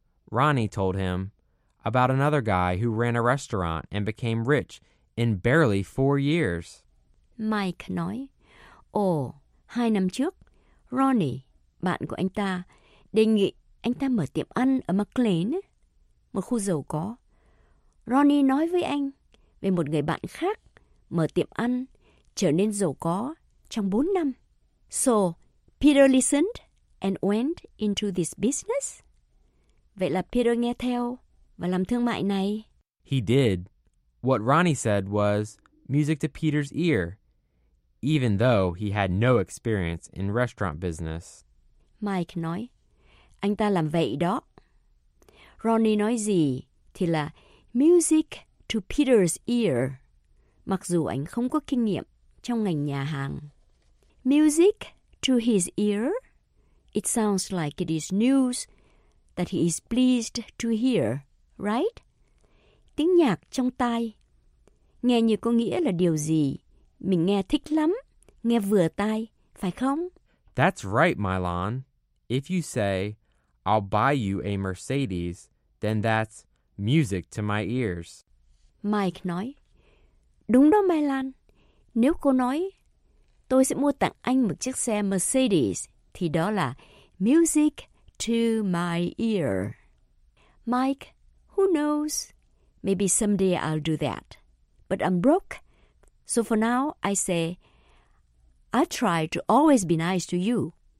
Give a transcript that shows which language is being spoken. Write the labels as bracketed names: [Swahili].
[English] Ronnie told him about another guy who ran a restaurant and became rich in barely 4 years. [Vietnamese] Mike nói, ồ, 2 năm trước, Ronnie, bạn của anh ta, đề nghị anh ta mở tiệm ăn ở McLean, một khu giàu có. Ronnie nói với anh về một người bạn khác mở tiệm ăn, trở nên giàu có trong 4 năm. [English] So, Peter listened and went into this business? [Vietnamese] Vậy là Peter nghe theo và làm thương mại này. [English] He did. What Ronnie said was music to Peter's ear, even though he had no experience in restaurant business. [Vietnamese] Mike nói, anh ta làm vậy đó. Ronnie nói gì thì là [English] music to Peter's ear, [Vietnamese] mặc dù anh không có kinh nghiệm trong ngành nhà hàng. [English] Music to his ear? It sounds like it is news that he is pleased to hear, right? [Vietnamese] Tiếng nhạc trong tai. Nghe như có nghĩa là điều gì, mình nghe thích lắm, nghe vừa tai, phải không? [English] That's right, Milan. If you say, I'll buy you a Mercedes, then that's music to my ears. [Vietnamese] Mike nói, đúng đó, Milan. Nếu cô nói, tôi sẽ mua tặng anh một chiếc xe Mercedes, thì đó là [English] music to my ear. Mike, who knows? Maybe someday I'll do that. But I'm broke. So for now, I say, I try to always be nice to you.